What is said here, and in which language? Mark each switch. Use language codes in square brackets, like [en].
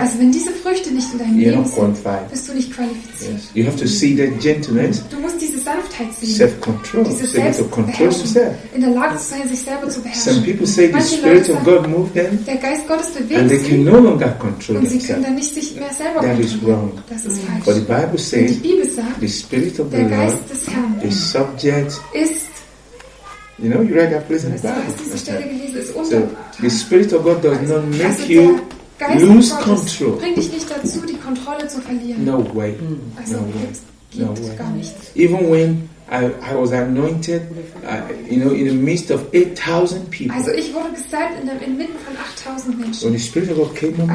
[de] also wenn diese Früchte nicht in deinem Leben sind, bist du nicht qualifiziert. [en] Yes. You have to see that gentleness. [de] Du musst diese Sanftheit sehen. [en] Self-control. [de] Diese Selbstbeherrschung. In der Lage zu sein, sich selber zu beherrschen. [en] Some people say the spirit of God moved them. [de] Der Geist Gottes bewegt sie. [en] And they can no longer control themselves. [de] Und sie können dann nicht sich mehr selber kontrollieren. [en] That is wrong. [de] Das ist falsch. [en] But the Bible says. [de] Und die Bibel sagt. [en] Spirit of [de] der [en] the [de] Geist [en] Lord [de] des Herrn [en] is subject, [de] ist, [en] you know, you read that place in the Bible. [de] So [en] the Spirit of God does not make you lose control. [de] Bring dich nicht dazu, die Kontrolle zu verlieren. [en] No way. [de] Also [en] no way. No way. [de] Gar nicht. [en] Even when I was anointed, you know, in the midst of 8,000 people. [de] Also ich wurde gesalbt inmitten von 8,000 Menschen. [en] When the Spirit of God came on me,